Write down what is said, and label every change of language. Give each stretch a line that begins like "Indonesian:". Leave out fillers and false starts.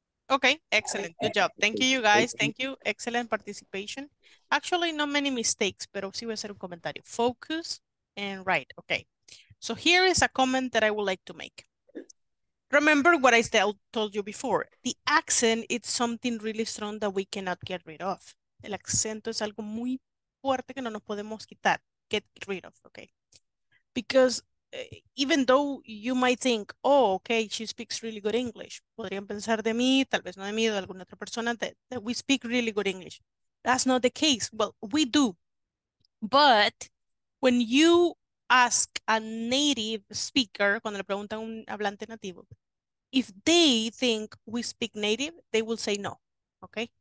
English: Okay, excellent. Good job. Thank you, you guys. Thank you. Excellent participation. Actually, not many mistakes,
Spanish: pero sí voy a hacer un comentario.
English: Focus and write. Okay. So here is a comment that I would like to make. Remember what I told you before. The accent is something really strong that we cannot get rid of.
Spanish: El acento es algo muy fuerte que no nos podemos quitar.
English: Get rid of, okay? Because even though you might think, oh, okay, she speaks really good English.
Spanish: Podrían pensar de mí, tal vez no de mí, de alguna otra persona,
English: that we speak really good English. That's not the case. Well, we do. But when you ask a native speaker,
Spanish: cuando le preguntan a un hablante nativo,
English: if they think we speak native, they will say no, okay?